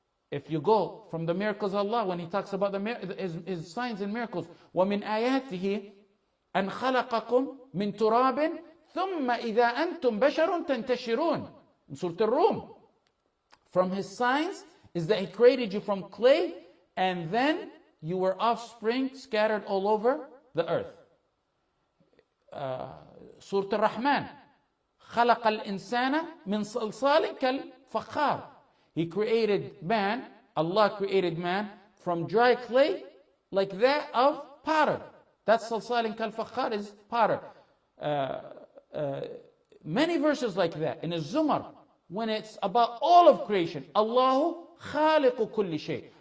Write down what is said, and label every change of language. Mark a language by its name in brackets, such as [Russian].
[English] If you go from the miracles of Allah, when He talks about his signs and miracles, [Arabic] وَمِنْ آيَاتِهِ أَنْ خَلَقَكُمْ مِنْ تُرَابٍ ثُمَّ إِذَا أَنْتُمْ بَشَرٌ تَنْتَشِرُونَ. [English] In Surah Al-Rum, from His signs is that He created you from clay and then you were offspring scattered all over the earth. [Arabic] Surah Al-Rahman, خَلَقَ الْإِنسَانَ مِنْ صَلْصَالٍ كَالْفَخَّارِ. [English] He created man, Allah created man, from dry clay like that of potter. That's salsalin kalfakhar, is potter. Many verses like that. In Az-Zumar, when it's about all of creation, [Arabic] Allahu khaliqu kulli shay.